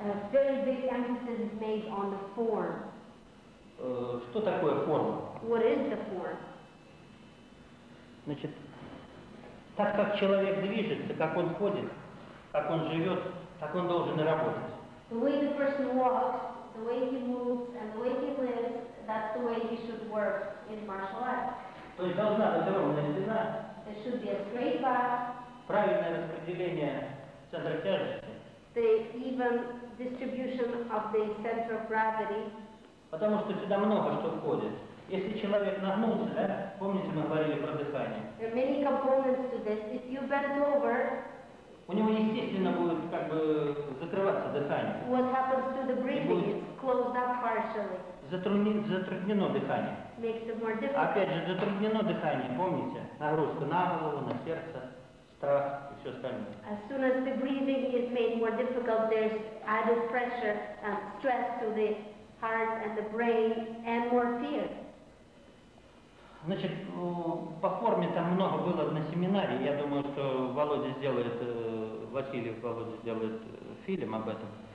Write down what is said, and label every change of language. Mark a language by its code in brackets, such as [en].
[en] Very big emphasis is made on the form. [ru] Что такое форма? [en] What is the form? [ru] Значит, так как человек движется, как он ходит, как он живет, так он должен и работать. [en] The way the person walks, the way he moves, and the way he lives, that's the way he should work in martial arts. [ru] То есть должна быть ровная спина. [en] There should be a straight back. [ru] Правильное распределение центра тяжести. [en] The even distribution of the center of gravity. [ru] Потому что сюда много что входит. Если человек нагнулся, да? Помните, мы говорили про дыхание. [en] There are many components to this. If you bend over, [ru] у него естественно будет как бы закрываться дыхание. [en] What happens to the breathing? It's closed up partially. [ru] Затруднено дыхание. [en] Makes it more difficult. [ru] Опять же, затруднено дыхание, помните? Нагрузка на голову, на сердце, страх и все остальное. [en] As soon as the breathing is made more difficult, there's added pressure and stress to the heart and the brain and more fear. [ru] Значит, по форме там много было на семинаре. Я думаю, что Володя сделает, Васильев Володя сделает фильм об этом.